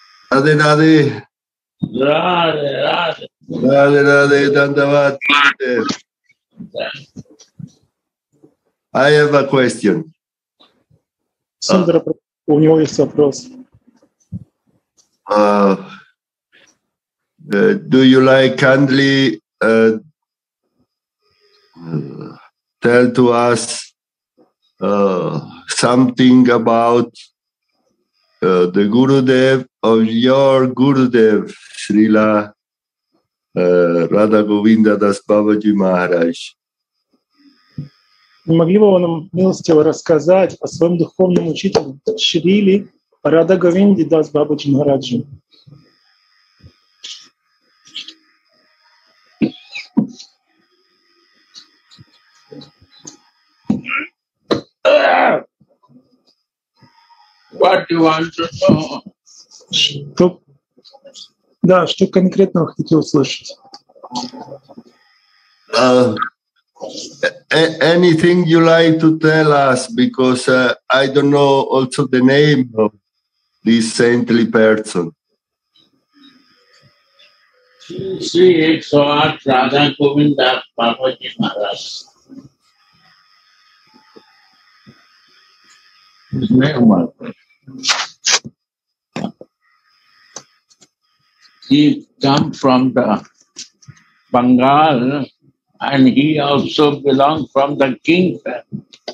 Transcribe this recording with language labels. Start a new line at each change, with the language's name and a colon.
English: Раде, раде. Раде, раде. Раде, раде, дандават. I have a question.
Russian: Сундара, у него есть вопрос.
English: Do you like kindly tell to us something about the Gurudev of your Gurudev, Srila Radha Govinda Das Babaji Maharaj.
Russian: Не могли бы вы нам милостиво рассказать о своем духовном учителе Шриле Радха Говинде Дас Бабаджи Махараджи?
English: What do you want to know?
Russian: Что конкретно вы хотите услышать?
English: Anything you like to tell us, because I don't know also the name of this saintly person. He come from the Bengal, and he also belong from the king family.